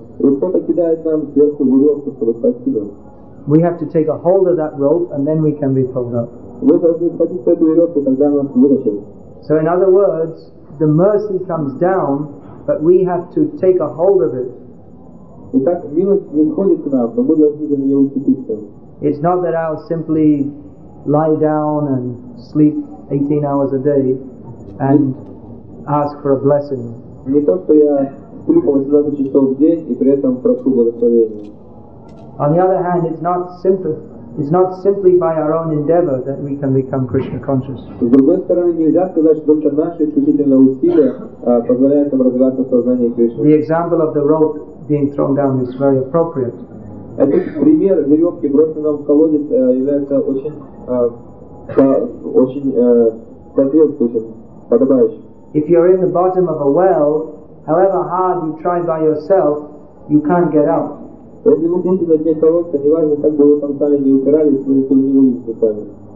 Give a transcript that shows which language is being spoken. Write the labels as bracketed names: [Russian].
[English] We have to take a hold of that rope and then we can be pulled up. So in other words, the mercy comes down, but we have to take a hold of it. [Russian] Итак, милость не сходит к нам, но мы должны за нее уцепиться. [English] It's not that I'll simply lie down and sleep 18 hours a day and ask for a blessing. [Russian] Не то, что я сплю по 18 часов в день и при этом прошу благословения. [English] On the other hand, it's not simply by our own endeavor that we can become Krishna conscious. [Russian] С другой стороны, нельзя сказать, что только наши исключительные усилия позволяют нам развиваться в сознании Кришны. [English] The example of the rope being thrown down is very appropriate. [Russian] Этот пример веревки, брошенной нам в колодец, является очень соответствующим, подобающим. [English] If you're in the bottom of a well, however hard you try by yourself, you can't get out. [Russian] Если вы будете на дне колодца, неважно, как бы вы там сами не упирались, вы это не увидите сами.